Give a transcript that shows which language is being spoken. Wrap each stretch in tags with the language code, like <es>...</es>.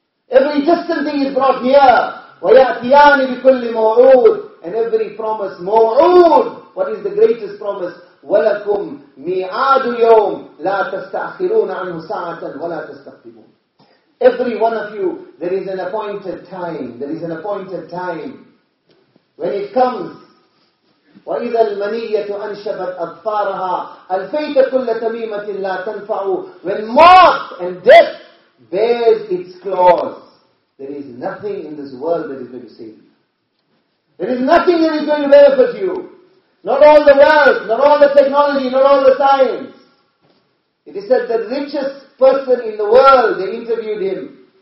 <en>Every distant thing is brought here.</en> <ar>وَيَأْتِيَانِ بِكُلِّ مَوْعُودٍ,</ar> <en>and every promise, مَوْعُودٍ, what is the greatest promise?</en> <ar>وَلَكُمْ مِعَادُ يَوْمٍ لَا تَسْتَأْخِرُونَ عَنْهُ سَاعَةً وَلَا تَسْتَقْدِمُونَ.</ar> <en>Every one of you, there is an appointed time. There is an appointed time. When it comes,</en> <ar>وَإِذَا الْمَنِيَّةُ أَنْشَبَتْ أَظْفَارَهَا أَلْفَيْتَ كُلَّ تَمِيمَةٍ لَا تَنْفَعُ.</ar> <en>When moth and death bears its claws, there is nothing in this world that is going to save you. There is nothing that is going to benefit you. Not all the wealth, not all the technology, not all the science. It is said that richest person in the world, they interviewed him.</en>